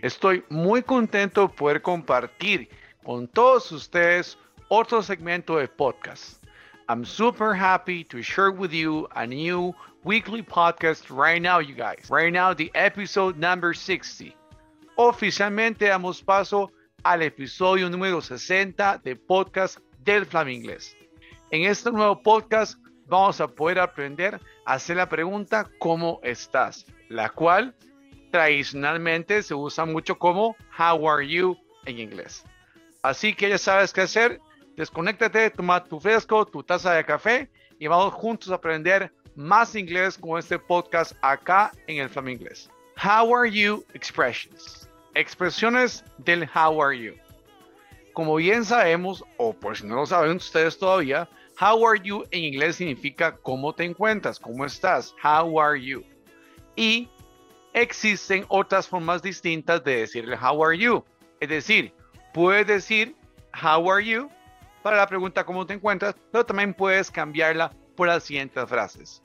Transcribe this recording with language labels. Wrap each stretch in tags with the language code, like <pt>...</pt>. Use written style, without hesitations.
<es>Estoy muy contento de poder compartir con todos ustedes otro segmento de podcast.</es> <en>I'm super happy to share with you a new weekly podcast right now, you guys. Right now, the episode number 60.</en> <es>Oficialmente damos paso al episodio número 60 de podcast del Flaminglés. En este nuevo podcast vamos a poder aprender a hacer la pregunta ¿cómo estás? La cual tradicionalmente se usa mucho como</es> <en>how are you</en> <es>en inglés. Así que ya sabes qué hacer, desconéctate, toma tu fresco, tu taza de café y vamos juntos a aprender más inglés con este podcast acá en el Flaminglés.</es> <en>How are you expressions.</en> <es>Expresiones del</es> <en>how are you.</en> <es>Como bien sabemos, o por si no lo saben ustedes todavía,</es> <en>how are you</en> <es>en inglés significa cómo te encuentras, cómo estás, how are you. Y existen otras formas distintas de decirle</es> <en>how are you.</en> <es>Es decir, puedes decir</es> <en>how are you</en> <es>para la pregunta cómo te encuentras, pero también puedes cambiarla por las siguientes frases.</es>